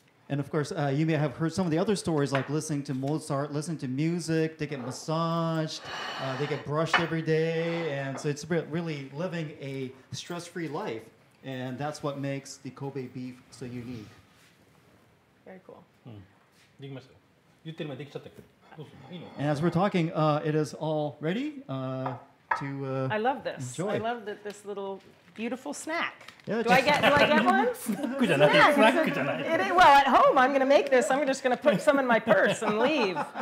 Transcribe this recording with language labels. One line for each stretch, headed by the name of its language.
English: And of course, you may have heard some of the other stories, like listening to Mozart, listening to music, they get massaged, they get brushed every day, and so it's really living a stress-free life, and that's what makes the Kobe beef so unique. Very cool.
Japanese: できました。言ってる前できちゃったけど。どうする？いいの？
English: And as we're talking, it is all ready. To, I love this. Enjoy. I love that this little beautiful snack. Yeah, do I get one? Snack. It, well, at home, I'm going to make this. I'm just going to put some in my purse and leave.